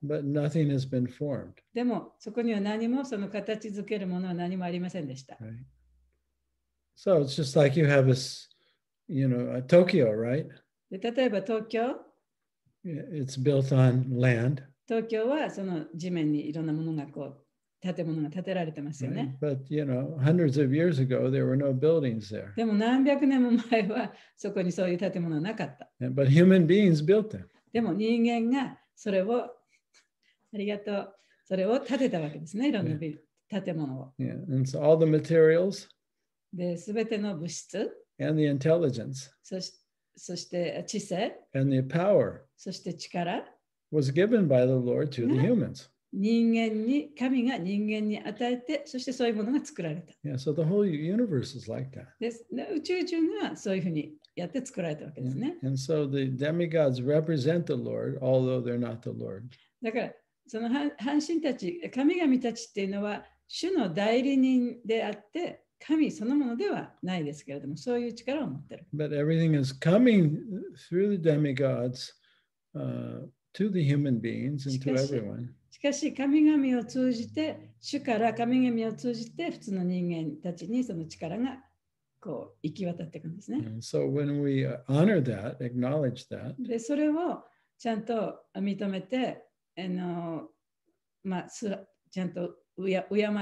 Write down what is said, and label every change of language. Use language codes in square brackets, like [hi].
[en] But nothing has been formed. [ja] でも、そこには何もその形づけるものは何もありませんでした。 [en] Right. So it's just like you have a, you know, a Tokyo, right? [ja] で、例えば東京。 [en] It's built on land. [ja] 東京はその地面にいろんなものがこう建物が建てられてますよね。 [en] Right. But you know, hundreds of years ago, there were no buildings there. [ja] でも何百年も前はそこにそういう建物はなかった。 [en] Yeah, but human beings built them. [ja] でも人間がそれをありがとうそれを建てたわけですね。いろんな建物を。 [en] Yeah. And so all the materials. [ja] で、すべての物質。 [en] And the intelligence. [ja] そして知性。 [en] And the power. [ja] そして力。 [en] Was given by the Lord to the humans. [ja] 人間に神が人間に与えて、そしてそういうものが作られた。 [en] Yeah, so the whole universe is like that. [ja] で、宇宙中がそういうふうにやって作られたわけですね。 [en] Yeah. And so the demigods represent the Lord, although they're not the Lord. [ja] だから、その半神たち、神々たちっていうのは主の代理人であって、神そのものではないですけれども、そういう力を持ってる。 [en] But everything is coming through the demigods. To the human beings and to everyone. [ja] しかし神々を通じて主から神々を通じて普通の人間たちにその力がこう行き渡っていくんですね。 [en] And so when we honor that, acknowledge that. [ja] でそれをちゃんと認めてまあ、ちゃんと敬うと。